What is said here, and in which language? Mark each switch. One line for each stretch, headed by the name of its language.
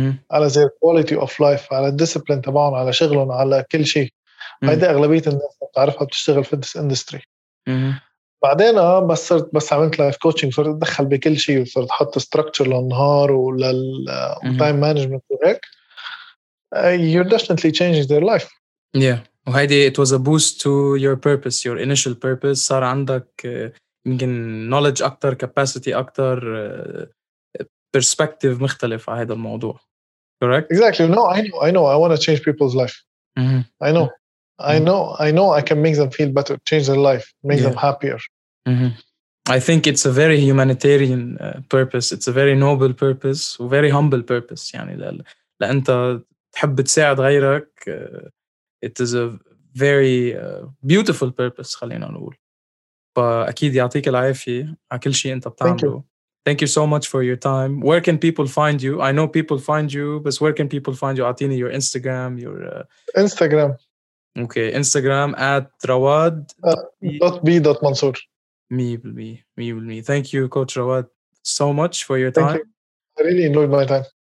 Arabic: على
English: their quality of life,
Arabic: على discipline تبعهم, على شغلهم, على كل شيء. هيدا أغلبية الناس بتعرفها بتشتغل في
English: this industry.
Arabic: بعدين بس صرت بس عملت life coaching, صرت أدخل بكل شيء وصرت أحط structure للنهار ولل time management وهيك.
English: You're definitely changing their life. Yeah. وهيدي it was a boost to your purpose, your initial purpose.
Arabic: صار عندك يمكن knowledge أكتر, capacity أكتر, perspective مختلف على هذا الموضوع. Correct?
English: Exactly. No, I know. I want to change people's life. I know. I know I can make them feel better, change their life, make them happier. Mm-hmm. I think it's a very humanitarian purpose. It's a very noble purpose, very humble purpose.
Arabic: يعني لأنت تحب تساعد غيرك.
English: It is a very beautiful purpose,
Arabic: خلينا نقول. فأكيد يعطيك العافية على كل شيء أنت بتعمله.
English: Thank you so much for your time. Where can people find you? I know people find you, but where can people find you? Atini, your Instagram, your... Instagram. Okay, Instagram at Rawad. .b.mansour. Me will be. Thank you, Coach Rawad, so much for your time. Thank you. I really enjoyed my time.